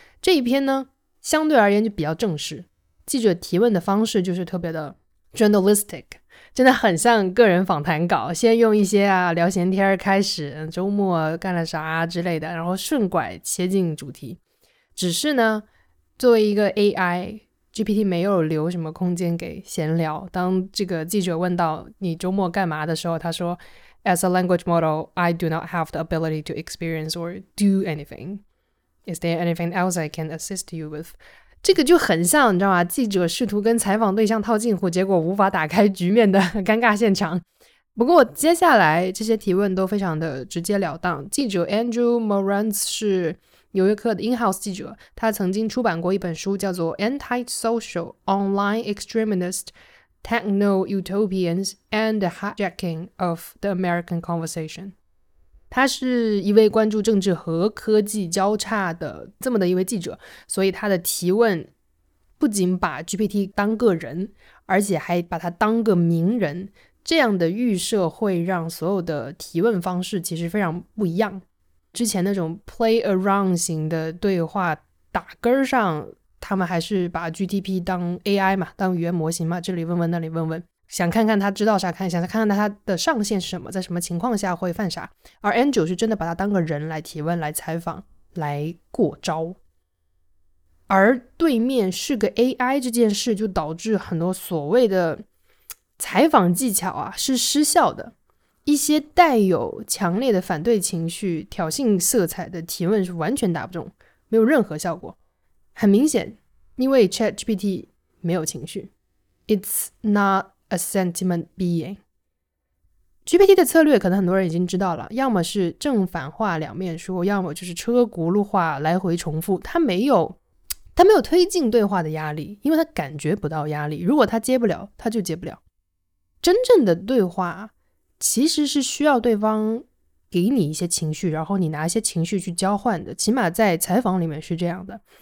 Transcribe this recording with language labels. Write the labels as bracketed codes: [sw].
[zh] 这一篇呢相对而言就比较正式，记者提问的方式就是特别的 journalistic， 真的很像个人访谈稿，先用一些聊闲天开始，周末干了啥之类的，然后顺拐切进主题。只是呢作为一个 AI GPT 没有留什么空间给闲聊，当这个记者问到你周末干嘛的时候，他说 [en] As a language model, I do not have the ability to experience or do anything. Is there anything else I can assist you with? [zh] 这个就很像，你知道吗？记者试图跟采访对象套近乎，结果无法打开局面的尴尬现场。不过接下来这些提问都非常的直截了当。记者 Andrew Moranz 是纽约客的 in-house 记者，他曾经出版过一本书叫做 [en] Anti-Social Online Extremisttechno-utopians and the hijacking of the American conversation. [zh] 他是一位关注政治和科技交叉的这么的一位记者，所以他的提问不仅把 GPT 当个人，而且还把他当个名人，这样的预设会让所有的提问方式其实非常不一样。之前那种 play around 型的对话，打根上他们还是把 GTP 当 AI 嘛，当语言模型嘛，这里问问那里问问，想看看他知道啥，看想看看他的上限是什么，在什么情况下会犯啥。而 Andrew 是真的把他当个人来提问，来采访，来过招。而对面是个 AI 这件事就导致很多所谓的采访技巧啊是失效的，一些带有强烈的反对情绪挑衅色彩的提问是完全打不中，没有任何效果。很明显，因为 ChatGPT 没有情绪， [en] It's not a sentiment being。 [zh] GPT 的策略可能很多人已经知道了，要么是正反话两面说，要么就是车轱辘话来回重复，它没有推进对话的压力，因为它感觉不到压力，如果它接不了它就接不了。真正的对话其实是需要对方给你一些情绪，然后你拿一些情绪去交换的，起码在采访里面是这样的。